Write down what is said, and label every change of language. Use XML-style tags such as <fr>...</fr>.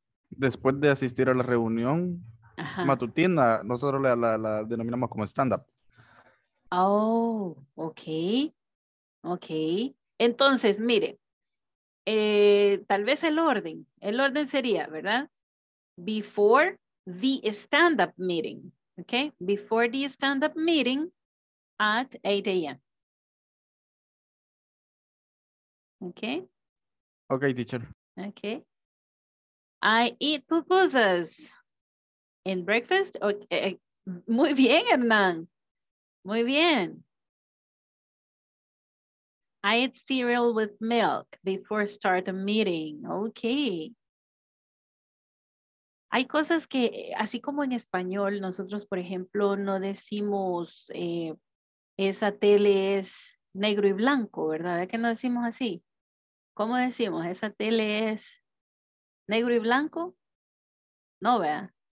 <es>Después de asistir a la reunión matutina, nosotros la denominamos como stand up.</es> <en>Oh, okay. Okay.</en> <es>Entonces, mire, tal vez el orden sería, ¿verdad?</es> <en>Before the stand-up meeting, okay? Before the stand-up meeting at 8 a.m. Okay? Okay, teacher. Okay. I eat pupusas in breakfast. Okay.</en> <es>Muy bien, Hernán. Muy bien.</es> <en>I eat cereal with milk before start a meeting. Okay.</en> <es>Hay cosas que, así como en español, nosotros, por ejemplo, no decimos esa tele es negro y blanco, ¿verdad? ¿Es que no decimos así? ¿Cómo decimos? ¿Esa tele es negro y blanco? No, ¿verdad?</es>